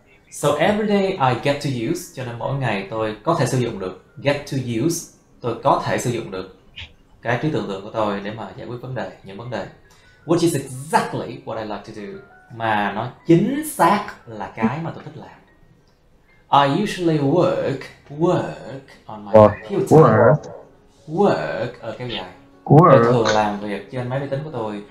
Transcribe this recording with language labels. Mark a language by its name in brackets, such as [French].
[English] So every day I get to use, [Vietnamese] cho nên mỗi ngày tôi có thể sử dụng được. [English] Get to use, [Vietnamese] tôi có thể sử dụng được cái trí tưởng tượng của tôi để mà giải quyết vấn đề, những vấn đề. [English] Which is exactly what I like to do. [Vietnamese] Mà nó chính xác là cái mà tôi thích làm. [English] I usually work on my computer. Work [Vietnamese] ở cái dài. [English] Work. [Vietnamese] Tôi thường làm việc trên máy vi tính của tôi.